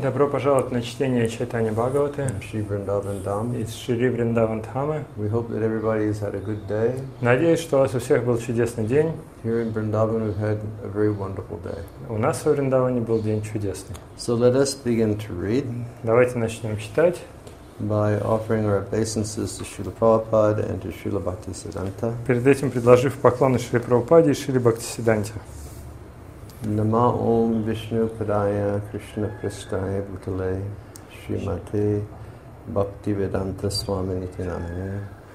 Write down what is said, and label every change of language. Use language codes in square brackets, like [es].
[ru] Добро пожаловать на чтение Чайтанья Бхагаваты. [en] From Shri Vrindavan Dham. [ru] Из Шри Вриндаван Дхамы. [en] We hope that everybody has had a good day. [ru] Надеюсь, что у вас у всех был чудесный день. [en] Here in Vrindavan, we've had a very wonderful day. [ru] У нас в Вриндаване был день чудесный. [en] So let us begin to read. [ru] Давайте начнем читать. [en] By offering our obeisances to Srila Prabhupada and to Srila Bhaktisiddhanta. [ru] Перед этим предложив поклоны Шри Прабхупаде и Шри Бхактисиддханте. [sa] Нама Ом Вишну Падая Кришна Пристая Бхутале Шримате Бхактивиданта Свамините Намине.